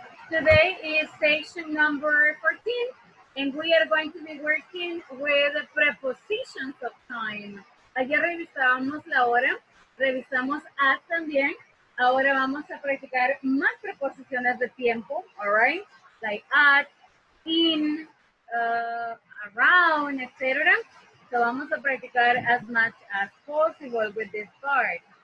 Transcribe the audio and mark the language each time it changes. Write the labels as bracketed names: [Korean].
[English] Today is station number 14, and we are going to be working with the prepositions of time. [Spanish] Ayer revisábamos la hora, revisamos a también. Ahora vamos a practicar más preposiciones de tiempo, all right? [English] Like at, in, around, etc. So [Spanish] vamos a practicar [English] as much as possible with this part.